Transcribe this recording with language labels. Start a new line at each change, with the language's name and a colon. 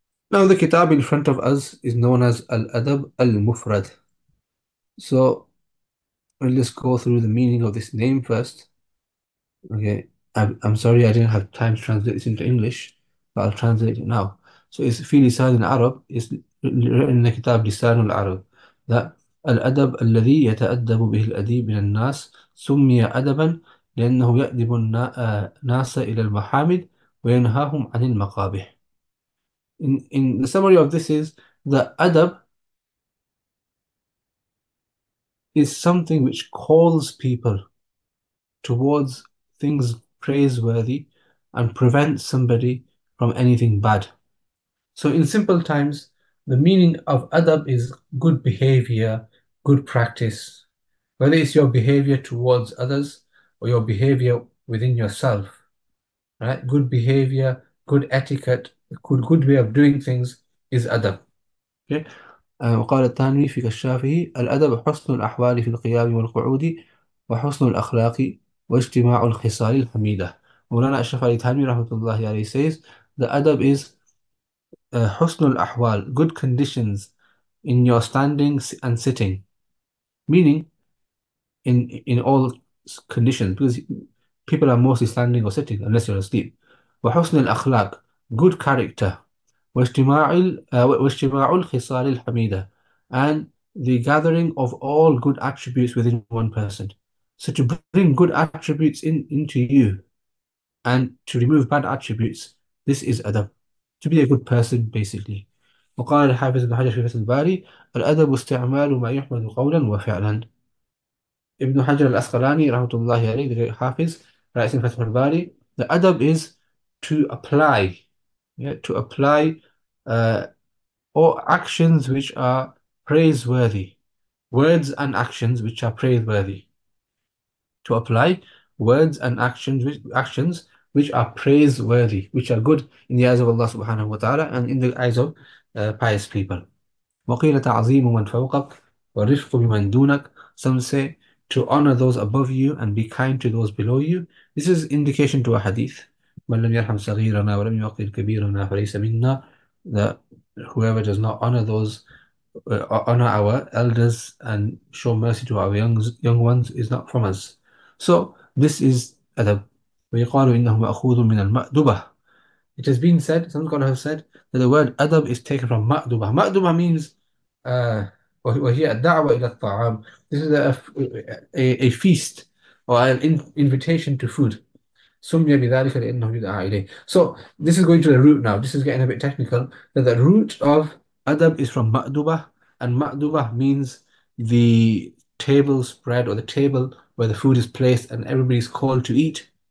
English: Now the kitab in front of us is known as Al-Adab al-Mufrad. So we'll just go through the meaning of this name first. Okay, I'm sorry I didn't have time to translate this into English, but I'll translate it now. So it's fi lisan al-Arab, it's written in the kitab Lisan al-Arab, that
Arabic: الأدب الذي يتأدب به الأديب من الناس سمي أدبا لأنه يأدب الناس إلى المحامد وينهاهم عن المقابح.
English: In the summary of this is that adab is something which calls people towards things praiseworthy and prevents somebody from anything bad. So in simple times, the meaning of adab is good behavior, good practice, whether it's your behavior towards others or your behavior within yourself, right? Good behavior, good etiquette, good way of doing things is adab. Okay.
Arabic: وقال التانوي في كشافه الأدب حسن الأحوال في القيام والقعود وحسن الأخلاق واجتماع الخصال الحميدة.
English: مولانا أشرف علي تانوي رحمة الله عليه says the adab is
Arabic: حسن الأحوال,
English: good conditions in your standing and sitting, meaning in all conditions, because people are mostly standing or sitting unless you're asleep.
Arabic: وحسن الأخلاق,
English: good character.
Arabic: واجتماع الخصال الحميدة,
English: and the gathering of all good attributes within one person. So to bring good attributes into you and to remove bad attributes, this is adab. To be a good person, basically.
Arabic: وقال الحافظ ابن حجر في فتح الباري: الأدب استعمال ما يحمد قولا وفعلا.
English: ابن حجر الأسقلاني رحمة الله عليه, the great حافظ, writes in فتح الباري: the adab is to apply, yeah, to apply all actions which are praiseworthy, words and actions which are praiseworthy. To apply words and actions which are praiseworthy, which are good in the eyes of Allah subhanahu wa ta'ala and in the eyes of pious people.
Arabic: وَقِيلَ تَعْظِيمُ مَنْ فَوْقَكَ وَالرِّفْقُ بِمَنْ دُونَكَ.
English: Some say to honor those above you and be kind to those below you. This is indication to a hadith.
Arabic: مَنْ لَمْ يَرْحَمْ صَغِيرَنَا وَلَمْ يُوَقِّرْ كَبِيرَنَا فَلَيْسَ مِنَّا.
English: That whoever does not honor those, honor our elders and show mercy to our young ones is not from us. So this is adab.
Arabic: وَيُقَالُ إِنَّهُ مَأْخُوذٌ مِنَ الْمَأْدُبَةِ.
English: It has been said, some scholars have said, that the word adab is taken from ma'dubah. Ma'dubah means,
Arabic: وَهِيَ الدَّعْوَ إِلَى الطَّعَامِ.
English: This is a feast or an invitation to food.
Arabic: سُمِّيَ بِذَلِكَ لِإِنَّهُ يُدْعَى إِلَيْهِ.
English: So this is going to the root now. This is getting a bit technical. That the root of adab is from ma'dubah. And ma'dubah means the table spread or the table where the food is placed and everybody's called to eat.